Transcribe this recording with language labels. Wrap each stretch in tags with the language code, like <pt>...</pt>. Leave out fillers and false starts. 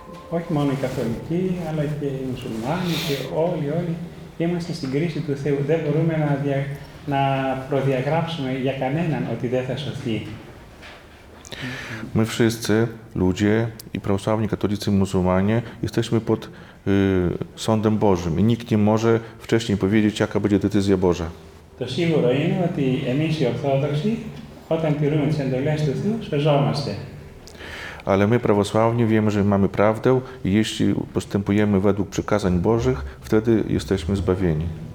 <el>Όχι μόνο οι καθολικοί, αλλά και οι μουσουλμάνοι και όλοι είμαστε στην κρίση του Θεού. Δεν μπορούμε να προδιαγράψουμε για κανέναν ότι δεν θα σωθεί.</el> <pl>My wszyscy ludzie, i prawosławni, katolicy, muzułmanie, jesteśmy pod sądem Bożym i nikt nie może wcześniej powiedzieć, jaka będzie decyzja Boża.</pl> <el>To σίγουρο είναι ότι εμείς οι Ορθόδοξοι, όταν τηρούμε τις εντολές του Θεού, σωζόμαστε.</el> <pl>Ale my, prawosławni, wiemy, że mamy prawdę i jeśli postępujemy według przykazań Bożych, wtedy jesteśmy zbawieni.</pl>